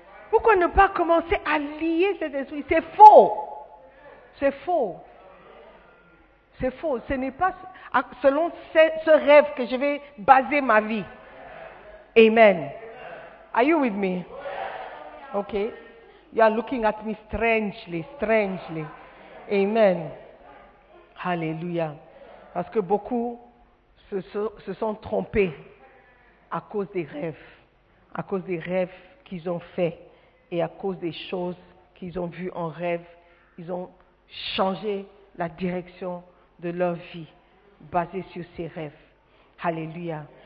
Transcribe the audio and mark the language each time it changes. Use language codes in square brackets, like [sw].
[fr] Pourquoi ne pas commencer à lier cet esprit? C'est faux. C'est faux. C'est faux. Ce n'est pas selon ce rêve que je vais baser ma vie. [en] Amen. Are you with me? Ok. You are looking at me strangely, strangely. Amen. Hallelujah. [fr] Parce que beaucoup se sont trompés à cause des rêves. À cause des rêves qu'ils ont faits. Et à cause des choses qu'ils ont vues en rêve, ils ont changé la direction de leur vie basée sur ces rêves. Alléluia.